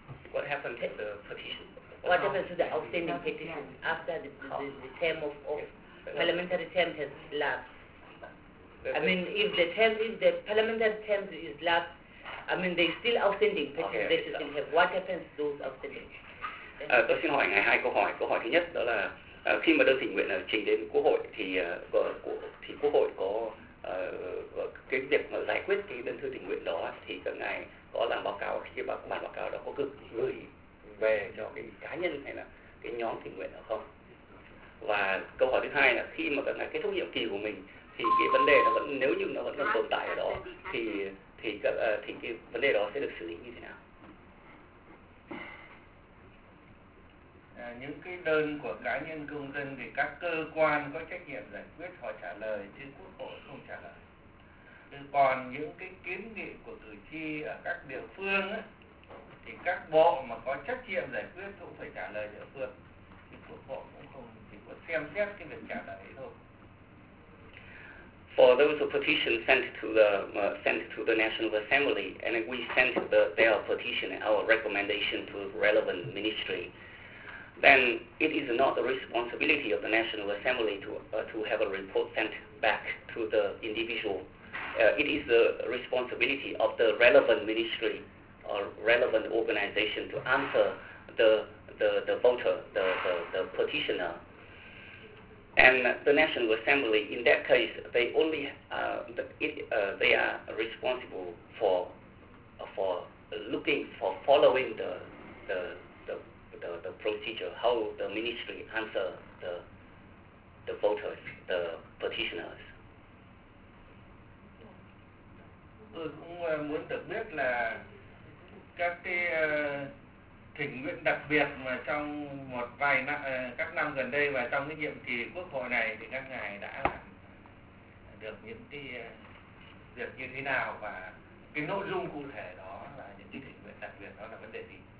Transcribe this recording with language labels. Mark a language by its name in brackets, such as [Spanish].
[English] What happens to the petition? What happens to the outstanding petition after the term of parliamentary term has lapsed? I mean, if the parliamentary term is lapsed, I mean, they still outstanding petitions they still have. What happens to those outstanding? [Vietnamese] Tôi xin hỏi ngài hai câu hỏi. Câu hỏi thứ nhất đó là khi mà đơn tình nguyện trình đến Quốc hội thì Quốc hội có cái việc mà giải quyết cái đơn thư tình nguyện đó thì các ngài có làm báo cáo, khi bản báo cáo đó có cực gửi về cho cái cá nhân hay là cái nhóm tình nguyện đó không? Và câu hỏi thứ hai là khi mà các ngài kết thúc nhiệm kỳ của mình thì cái vấn đề nó vẫn, nếu như nó vẫn còn tồn tại ở đó thì cái vấn đề đó sẽ được xử lý như thế nào? Những cái đơn của cá nhân công dân thì các cơ quan có trách nhiệm giải quyết, họ trả lời chứ Quốc hội không trả lời. Còn những cái kiến nghị của cử tri ở các địa phương ấy, thì các bộ mà có trách nhiệm giải quyết cũng phải trả lời địa phương, thì Quốc hội cũng không, chỉ có xem xét cái việc trả lời ấy thôi. [English] For those petitions sent to the National Assembly, and we sent their petition, our recommendation to relevant ministry, then it is not the responsibility of the National Assembly to have a report sent back to the individual. It is the responsibility of the relevant ministry or relevant organization to answer the voter, the petitioner. And the National Assembly, in that case, they only they are responsible for looking for following the procedure, how the ministry answer the voters, the petitioners. [Vietnamese] Tôi cũng muốn được biết là các cái thỉnh nguyện đặc biệt mà trong một vài năm, các năm gần đây và trong cái nhiệm kỳ Quốc hội này thì các ngài đã làm được những cái việc như thế nào và cái nội dung cụ thể đó là những cái thỉnh nguyện đặc biệt đó là vấn đề gì?